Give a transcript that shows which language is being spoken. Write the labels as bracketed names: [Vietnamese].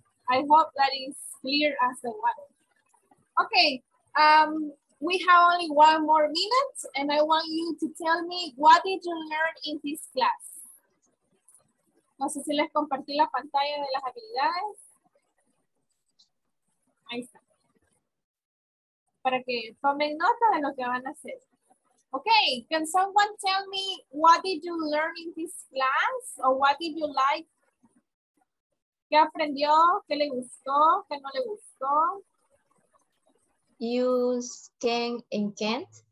[English] I hope that is clear as the water. Okay, we have only 1 more minute and I want you to tell me what did you learn in this class? [Spanish] No sé si les compartí la pantalla de las habilidades. Ahí está. Para que tomen nota de lo que van a hacer. [English] Okay, can someone tell me what did you learn in this class or what did you like? [Spanish] ¿Qué aprendió? ¿Qué le gustó? ¿Qué no le gustó? [English] Use can and can't.